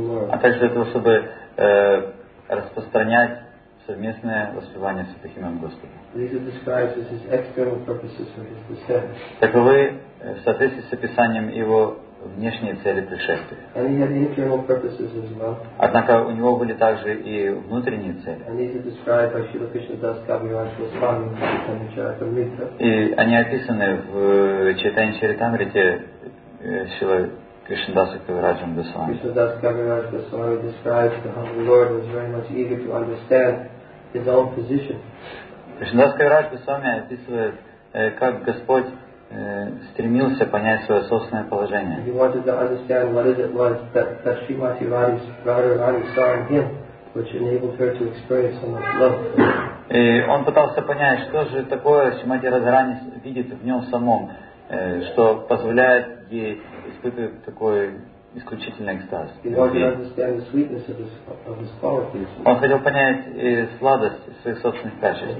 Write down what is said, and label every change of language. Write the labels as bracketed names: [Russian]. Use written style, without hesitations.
[Russian] А также для того, чтобы распространять совместное воспевание Святых имен Господа. Таковы в соответствии с описанием его внешние цели пришествия. [English] And he had internal purposes as well. [Russian] Однако у него были также и внутренние цели. [English] And these are described by Śrīla Kṛṣṇadāsa Kaviraj Gosvāmī in Chaitanya Charitamrita. [Russian] И они описаны в Чайтанья Чаритамрите Śrīla Kṛṣṇadāsa Kaviraj Gosvāmī. [English] Kṛṣṇadāsa Kaviraj Gosvāmī describes the humble Lord was very much eager to understand His own position. [Russian] Кришнадас Кавираж Госвами описывает, как Господь стремился понять свое собственное положение. [English] He wanted to understand what it was that Śrīmatī Rādhārāṇī saw in him, which enabled her to experience so much love. [Russian] И он пытался понять, что же такое Śrīmatī Rādhārāṇī видит в нем самом, что позволяет ей испытывать такой исключительный экстаз. Он хотел понять сладость своих собственных качеств.